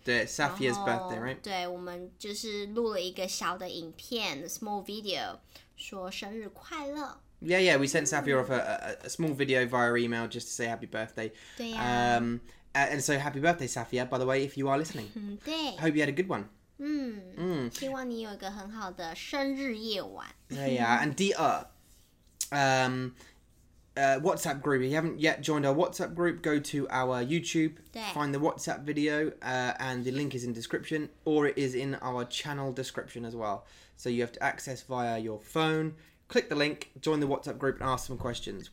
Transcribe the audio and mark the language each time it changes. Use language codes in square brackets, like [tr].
[en] 对 ,Safiya's birthday, right? [zh] 对，我们就是录了一个小的影片 , small video, 说生日快乐。 [en] Yeah, yeah, we sent Safiya off a small video via email just to say happy birthday. [zh] 对呀、 [en] And so happy birthday, Safiya, by the way, if you are listening. [zh] 对。 [en] Hope you had a good one. [zh] 希望你有一个很好的生日夜晚。对呀、啊、， And 第二，WhatsApp group. [en] If you haven't yet joined our WhatsApp group, go to our YouTube, find the WhatsApp video, and the link is in description, or it is in our channel description as well. So you have to access via your phone, click the link, join the WhatsApp group and ask some questions.